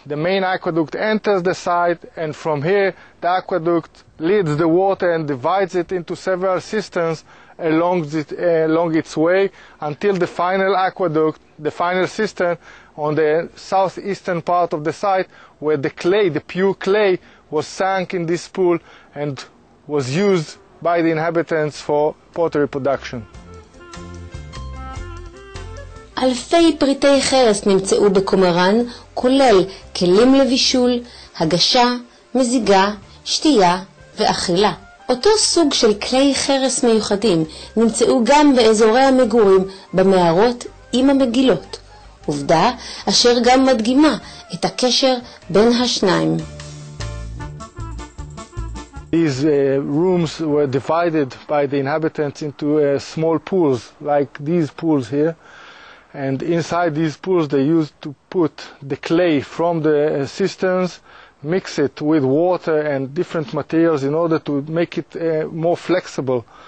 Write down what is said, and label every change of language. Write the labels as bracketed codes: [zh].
[en] The main aqueduct enters the site, and from here the aqueduct leads the water and divides it into several cisterns along its way until the final aqueduct, the final cistern on the southeastern part of the site, where the clay, the pure clay, was sunk in this pool and was used by the inhabitants for pottery production. [he] אלפי פריטי חרס נמצאו בקומראן, כולל כלים לבישול, הגשה, מזיגה, שתייה ואכילה. אותו סוג של כלי חרס מיוחדים נמצאו גם באזורי המגורים, במערות עם המגילות. עובדה אשר גם מדגימה את הקשר בין השניים. [en] These rooms were divided by the inhabitants into small pools, like these pools here. And inside these pools they used to put the clay from the cisterns, mix it with water and different materials in order to make it more flexible.